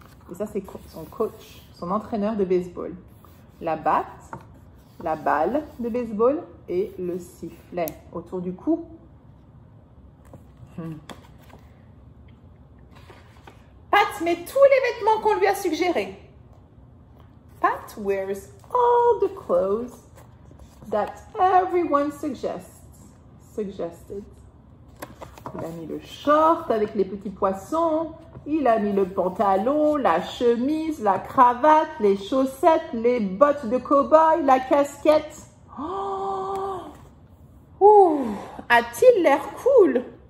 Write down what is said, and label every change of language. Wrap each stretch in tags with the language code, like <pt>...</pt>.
<fr>Et ça, c'est son coach, son entraîneur de baseball. La batte, la balle de baseball et le sifflet autour du cou. Pat met tous les vêtements qu'on lui a suggérés.</fr> <en>Pat wears all the clothes that everyone suggests.</en> <fr>Il a mis le short avec les petits poissons. Il a mis le pantalon, la chemise, la cravate, les chaussettes, les bottes de cow-boy, la casquette. Oh! Ouh! A-t-il l'air cool?</fr>